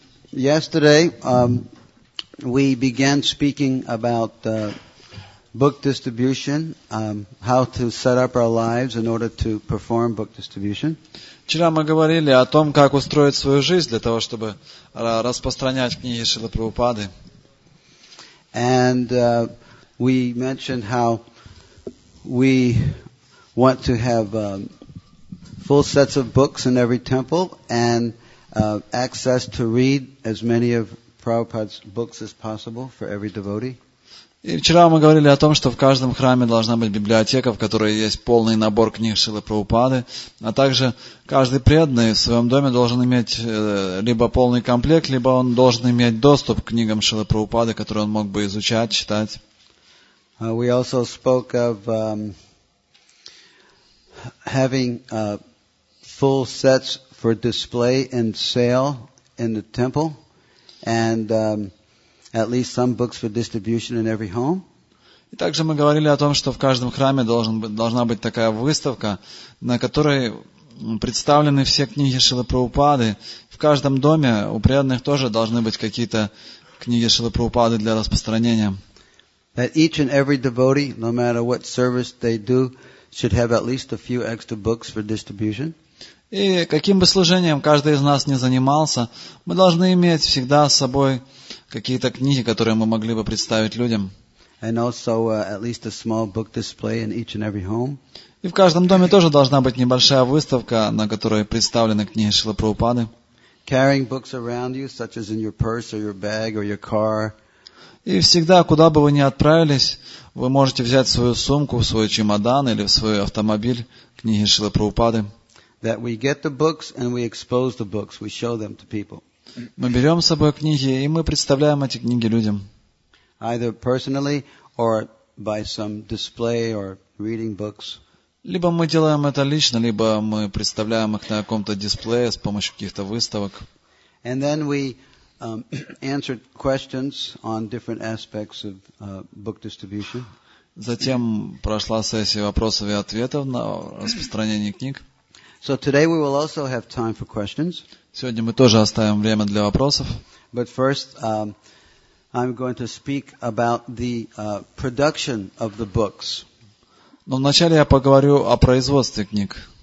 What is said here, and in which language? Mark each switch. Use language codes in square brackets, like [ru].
[en] Yesterday, we began speaking about book distribution, how to set up our lives in order to perform book distribution. [ru] Вчера мы говорили о том, как устроить свою жизнь для того, чтобы распространять книги Шрилы Прабхупады. [en] And we mentioned how we want to have full sets of books in every temple and access to read as many of Prabhupada's books as possible for every devotee. [ru] И вчера мы говорили о том, что в каждом храме должна быть библиотека, в которой есть полный набор книг Шрилы Прабхупады, а также каждый преданный в своем доме должен иметь либо полный комплект, либо он должен иметь доступ к книгам Шрилы Прабхупады, которые он мог бы изучать, читать. [en] We also spoke of having full sets for display and sale in the temple, and at least some books for distribution in every home. [ru] И также мы говорили о том, что в каждом храме должна быть такая выставка, на которой представлены все книги Шрилы Прабхупады. В каждом доме у преданных тоже должны быть какие-то книги Шрилы Прабхупады для распространения. [en] That each and every devotee, no matter what service they do, should have at least a few extra books for distribution. [ru] И каким бы служением каждый из нас не занимался, мы должны иметь всегда с собой какие-то книги, которые мы могли бы представить людям. [en] And also at least a small book display in each and every home. [ru] И в каждом доме тоже должна быть небольшая выставка, на которой представлены книги Шрилы Прабхупады. [en] Carrying books around you, such as in your purse or your bag or your car. [ru] И всегда, куда бы вы ни отправились, вы можете взять свою сумку, свой чемодан или свой автомобиль, книги Шрилы Прабхупады. [en] That we get the books and we expose the books, we show them to people. [ru] Мы берем с собой книги и мы представляем эти книги людям. [en] Either personally or by some display or reading books. [ru] Либо мы делаем это лично, либо мы представляем их на каком-то дисплее с помощью каких-то выставок. [en] And then we answered questions on different aspects of book distribution. [ru] Затем прошла сессия вопросов и ответов на распространение книг. [en] So today we will also have time for questions. [ru] Сегодня мы тоже оставим время для вопросов. [en] But first, I'm going to speak about the production of the books. [ru] Но вначале я поговорю о производстве книг.